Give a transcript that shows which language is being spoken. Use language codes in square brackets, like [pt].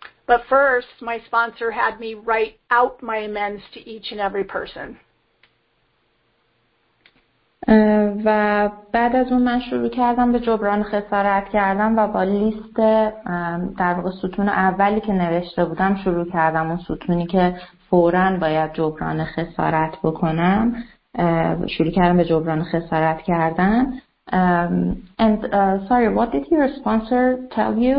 [en] But first, my sponsor had me write out my amends to each and every person. [fa] و بعد از اون من شروع کردم به جبران خسارت کردم و با لیست در واقع ستون اولی که نوشته بودم شروع کردم، اون ستونی که فوراً باید جبران خسارت بکنم، شروع کردم به جبران خسارت کردن. [en] And sorry, what did your sponsor tell you?